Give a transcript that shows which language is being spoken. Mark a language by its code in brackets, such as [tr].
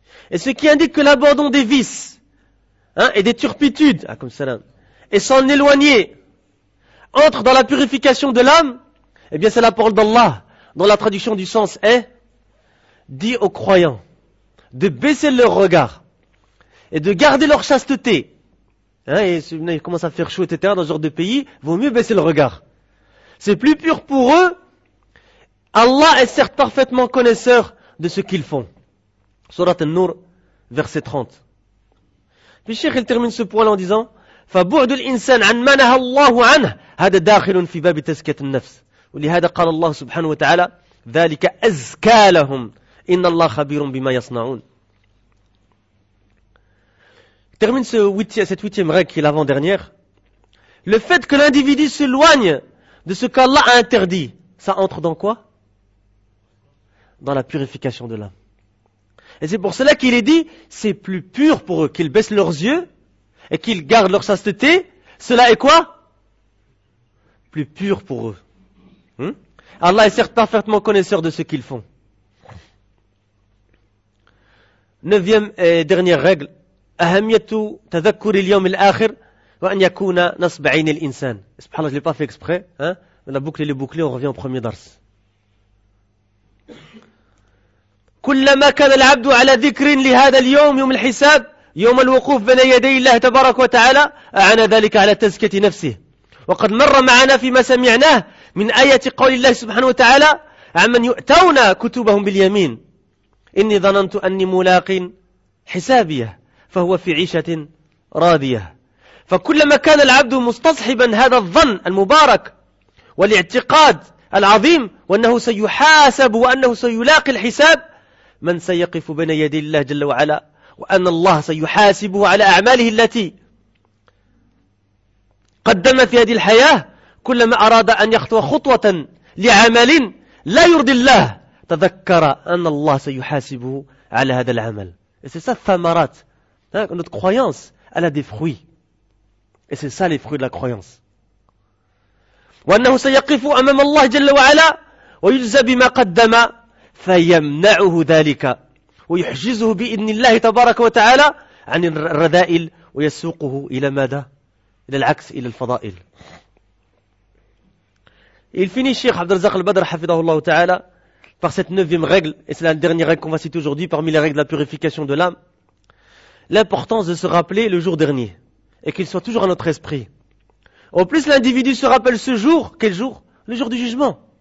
[fr] Et ce qui indique que l'abandon des vices, hein, et des turpitudes, ah, comme salam, et s'en éloigner, entre dans la purification de l'âme, eh bien c'est la parole d'Allah, dont la traduction du sens est dit aux croyants de baisser leur regard et de garder leur chasteté. Hein, et si il commence à faire chaud, etc., dans ce genre de pays, vaut mieux baisser le regard. C'est plus pur pour eux. Allah est certes parfaitement connaisseur de ce qu'ils font. Surat al-Nur, verset 30. Puis, Cheikh, il termine ce point en disant, [ar] فَبُعْدُ الْإِنسَانِ عَنْ مَنَهَا اللَّهُ عَنْهُ هَذَا دَاخِلٌ فِي بَابِ تَزْكِيَةِ النَّفْسِ وَلِهَذَا قَالَ اللَّهُ سُبْحَانَهُ وَتَعَالَى ذَلِكَ أَزْكَى لَهُمْ إِنَّ اللَّهَ خَبِيرٌ بِمَا يَصْنَعُونَ. [fr] Termine cette huitième règle qui est l'avant-dernière. Le fait que l'individu s'éloigne de ce qu'Allah a interdit, ça entre dans quoi? Dans la purification de l'âme. Et c'est pour cela qu'il est dit, c'est plus pur pour eux qu'ils baissent leurs yeux et qu'ils gardent leur chasteté. Cela est quoi? Plus pur pour eux. Allah est certes parfaitement connaisseur de ce qu'ils font. Neuvième et dernière règle, [ar] أَهَمْيَتُ تَذَكُّرِ الْيَوْمِ الْآخِرِ وَأَنْ يَكُونَ نَصْبَ عَيْنِ الْإِنسَانِ. [fr] Subhanallah, je ne l'ai pas fait exprès, hein, mais la boucle est bouclée, on revient au premier dars. [ar] كُلَّمَا كَانَ الْعَبْدُ عَلَى ذِكْرٍ لِهَذَا الْيَوْمِ يَوْمِ الْحِسَابِ يَوْمَ الْوُقُوفِ بَيْنَ يَدَيِ اللَّهِ تَبَارَكَ وَتَعَالَى أَعَانَ ذَلِكَ عَلَى تَزْكِيَةِ نَفْسِهِ وَقَدْ مَرَّ مَعَنَا فِيمَا سَمِعْنَاهُ مِنْ آيَةِ قَوْلِ اللَّهِ سُبْحَانَهُ وَتَعَالَى عَمَّنْ يُؤْتَوْنَ كُتُبَهُمْ بِالْيَمِينِ إني ظننت أني ملاق حسابية فهو في عيشة راضية فكلما كان العبد مستصحبا هذا الظن المبارك والاعتقاد العظيم وأنه سيحاسب وأنه سيلاقي الحساب من سيقف بين يدي الله جل وعلا، وأن الله سيحاسبه على أعماله التي قدم في هذه الحياة. كلما أراد أن يخطو خطوة لعمل لا يرضي الله تذكر أن الله سيحاسبه على هذا العمل. [fr] C'est ça الثمرات. Notre croyance elle a des fruits. Et c'est ça les fruits de la croyance. [ar] وأنه سيقف أمام الله جل وعلا ويجزى بما قدم فيمنعه ذلك ويحجزه بإذن الله تبارك وتعالى عن الرذائل ويسوقه إلى ماذا؟ إلى العكس، إلى الفضائل. [fr] Il finit Cheikh عبد الرزاق البدر [ar] حفظه الله تعالى [fr] par cette neuvième règle, et c'est la dernière règle qu'on va citer aujourd'hui parmi les règles de la purification de l'âme, l'importance de se rappeler le jour dernier et qu'il soit toujours à notre esprit. Au plus l'individu se rappelle ce jour, quel jour? Le jour du jugement.